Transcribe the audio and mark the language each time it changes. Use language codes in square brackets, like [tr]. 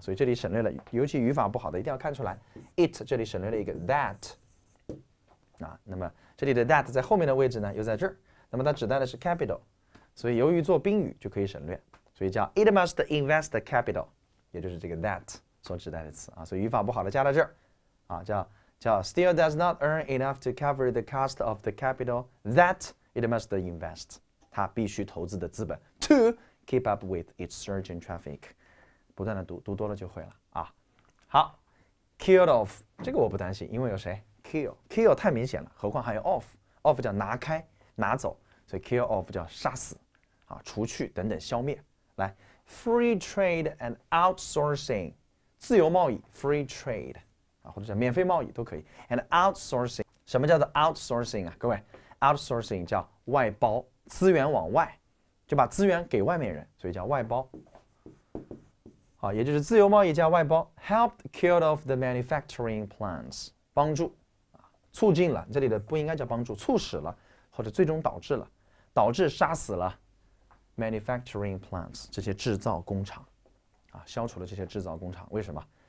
[zh] 所以这里省略了，尤其语法不好的一定要看出来 it 这里省略了一个 that 啊，那么这里的 that 在后面的位置呢又在这儿，那么它指代的是 capital， 所以由于做宾语就可以省略，所以叫 [en] it must invest the capital， [zh] 也就是这个 that 所指代的词啊，所以语法不好的加到这儿啊，叫 [en] still does not earn enough to cover the cost of the capital that it must invest， [zh] 它必须投资的资本 to [en] keep up with its surge in traffic， [zh] 不断的读，读多了就会了啊。好，killed off，这个我不担心，因为有谁？kill 太明显了，何况还有 off 叫拿开、拿走，所以 kill off 叫杀死啊、除去等等、消灭。来，free trade and outsourcing，自由贸易 free trade 啊，或者叫免费贸易都可以。 and outsourcing，什么叫做 outsourcing 啊？各位，outsourcing 叫外包，资源往外。就把资源给外面人，所以叫外包。好，也就是自由贸易加外包。 [en] Helped killed off the manufacturing plants， [zh] 帮助啊，促进了。这里的不应该叫帮助，促使了，或者最终导致了，导致杀死了 manufacturing plants 这些制造工厂啊，消除了这些制造工厂。为什么？